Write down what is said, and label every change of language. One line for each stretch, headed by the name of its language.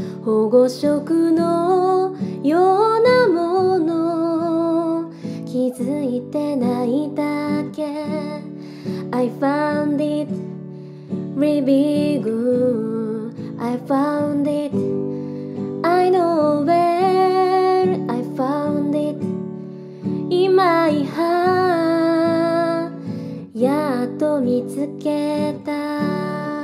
Japanese: 保護色のようなもの、気づいてないだけ。
English: I found it really good. I found it. I know where I found it. In my heart.
Japanese: やっと見つけた。